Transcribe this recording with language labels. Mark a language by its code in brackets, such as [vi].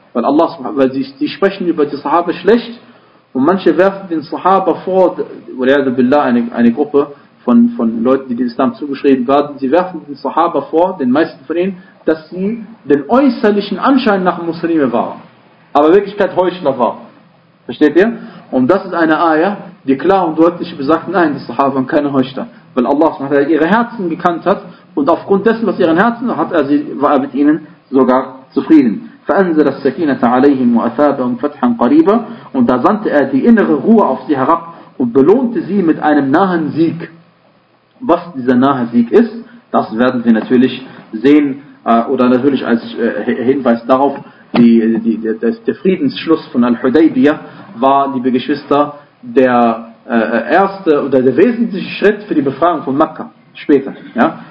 [de] Weil sie sprechen über die Sahaba schlecht. Und manche werfen den Sahaba vor, eine Gruppe von Leuten, die dem Islam zugeschrieben werden, sie werfen den Sahaba vor, den meisten von ihnen, dass sie den äußerlichen Anschein nach Muslime waren. Aber in Wirklichkeit Heuchler waren. Versteht ihr? Und das ist eine Ayah, die klar und deutlich besagt, nein, die Sahaba waren keine Heuchler. Weil Allah ihre Herzen gekannt hat und aufgrund dessen, was ihren Herzen hat, war er mit ihnen sogar zufrieden. [ar] فأنزل السكينة عليهم وأثابهم فتحا قريبا. [de] Und da sandte er die innere Ruhe auf sie herab und belohnte sie mit einem nahen Sieg. Was dieser nahe Sieg ist, das werden wir natürlich sehen, oder natürlich als Hinweis darauf, der Friedensschluss von Al-Hudaybiyah war, liebe Geschwister, der erste oder der wesentliche Schritt für die Befreiung von Mekka später. Ja?